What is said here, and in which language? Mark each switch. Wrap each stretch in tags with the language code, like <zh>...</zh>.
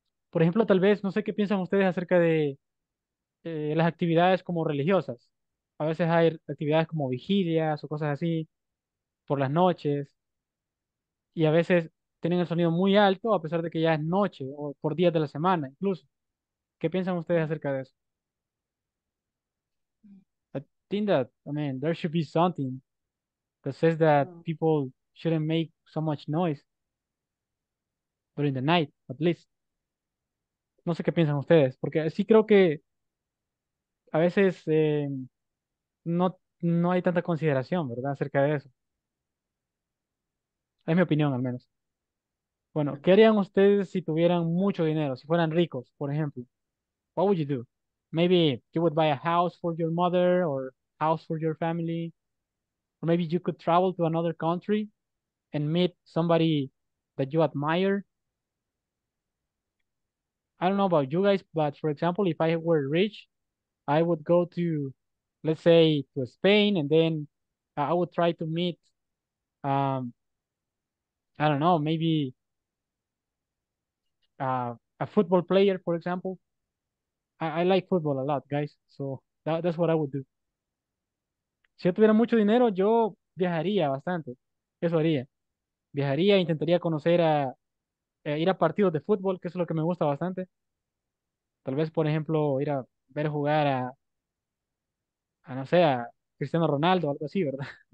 <es>Por ejemplo, tal vez, no sé qué piensan ustedes acerca de las actividades como religiosas. A veces hay actividades como vigilias o cosas así por las noches. Y a veces tienen el sonido muy alto a pesar de que ya es noche o por días de la semana incluso. ¿Qué piensan ustedes acerca de eso?</es> <en>I think that, I mean, there should be something that says that people shouldn't make so much noise during the night, at least.</en> <es>No sé qué piensan ustedes, porque sí creo que a veces no hay tanta consideración, ¿verdad?, acerca de eso. Es mi opinión, al menos. Bueno, ¿qué harían ustedes si tuvieran mucho dinero, si fueran ricos, por ejemplo?</es> <en>What would you do? Maybe you would buy a house for your mother or house for your family. Or maybe you could travel to another country and meet somebody that you admire. I don't know about you guys, but for example, if I were rich, I would go to, let's say, to Spain, and then I would try to meet, I don't know, maybe a football player, for example. I like football a lot, guys, so that's what I would do.</en> <es>Si yo tuviera mucho dinero, yo viajaría bastante. Eso haría. Viajaría, intentaría conocer a ir a partidos de fútbol, que es lo que me gusta bastante. Tal vez, por ejemplo, ir a ver jugar a no sé, a Cristiano Ronaldo o algo así, ¿verdad?</es>